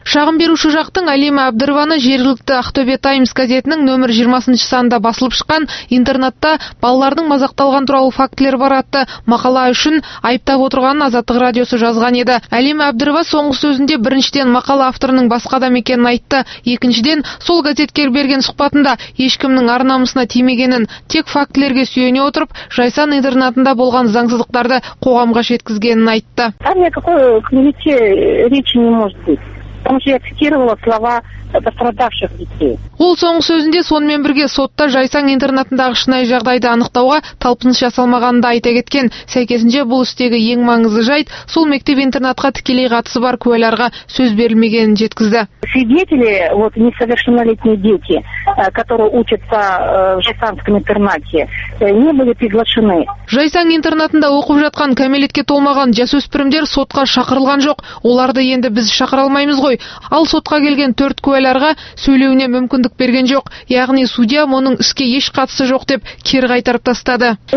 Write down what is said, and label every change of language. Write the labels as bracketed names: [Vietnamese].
[Kazakh] Шағым беруші жақтың Алима Абдірованы жергілікті Ақтөбе Таймс газетінің нөмір 20-ші санында басылып шыққан интернатта балалардың мазақталған туралы фактілер бар атты мақала үшін айыптап отырғанын Азаттық радиосы жазған еді. Алима Абдірова соңғы сөзінде біріншіден мақала авторының басқа адам екенін айтты. Екіншіден сол газетке берген сұхбатында ешкімнің арнамысына тимегенін, тек фактілерге сүйене отырып, Жайсан интернатында болған заңсыздықтарды қоғамға жеткізгенін айтты. [Russian] Там никакой клинике речи не может быть. Потому что я цитировала слова пострадавших детей. [Kazakh] Ол соңғы сөзінде сонымен бірге сотта Жайсаң интернатындағы шынайы жағдайды анықтауға талпыныс жасалмағанын да айта кеткен. Сәйкесінше бұл істегі ең маңызды жайт сол мектеп интернатқа тікелей қатысы бар куәларға сөз берілмегенін жеткізді. [Russian] Свидетели, вот несовершеннолетние дети, которые учатся в Жайсаңском интернате, не были приглашены. [Kazakh] Жайсаң интернатында оқып жатқан кәмелетке толмаған жасөспірімдер сотқа шақырылған жоқ. Оларды енді біз шақыра алмаймыз ғой. Ал сотқа келген 4 куәларға сөйлеуіне мүмкіндік берген жоқ. Яғни судья оның іске еш қатысы жоқ деп кері қайтарып тастады.